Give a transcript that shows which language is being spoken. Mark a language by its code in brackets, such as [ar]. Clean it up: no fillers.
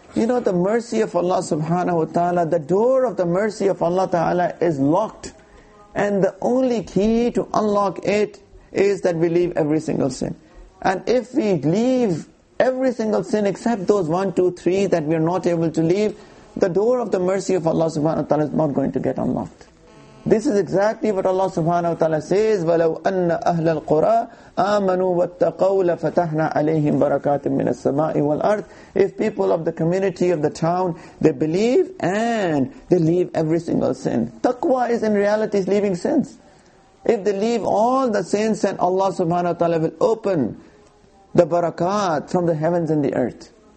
[en] You know, the mercy of Allah subhanahu wa ta'ala, the door of the mercy of Allah ta'ala is locked. And the only key to unlock it is that we leave every single sin. And if we leave every single sin except those 1, 2, 3 that we are not able to leave, the door of the mercy of Allah subhanahu wa ta'ala is not going to get unlocked. This is exactly what Allah subhanahu wa ta'ala says, [ar] وَلَوْ أَنَّ أَهْلَ الْقُرَىٰ آمَنُوا وَاتَّقَوْا لَفَتَحْنَا عَلَيْهِمْ بَرَكَاتٍ مِّنَ السَّمَاءِ وَالْأَرْضِ. [en] If people of the community, of the town, they believe and they leave every single sin. Taqwa is in reality is leaving sins. If they leave all the sins, then Allah subhanahu wa ta'ala will open the barakat from the heavens and the earth.